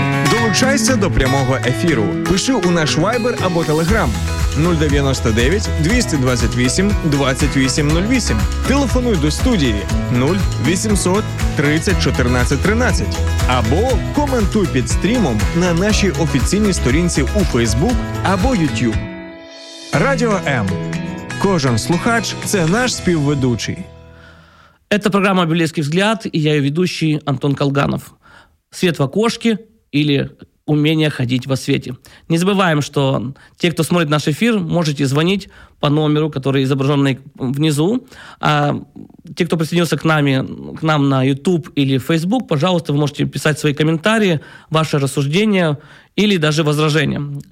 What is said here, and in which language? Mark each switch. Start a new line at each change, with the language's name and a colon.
Ukrainian: Долучайся до прямого ефіру. Пиши у наш Viber або Telegram 099-228-2808. Телефонуй до студії 0800-30-14-13 або коментуй під стрімом на нашій офіційній сторінці у Facebook або YouTube. Радіо М. Кожен слухач – це наш співведучий.
Russian: Это программа «Библейский взгляд» и я ее ведущий Антон Колганов. Свет в окошке или умение ходить во свете. Не забываем, что те, кто смотрит наш эфир, можете звонить по номеру, который изображен внизу. А те, кто присоединился к нам на YouTube или Facebook, пожалуйста, вы можете писать свои комментарии, ваши рассуждения или даже возражения.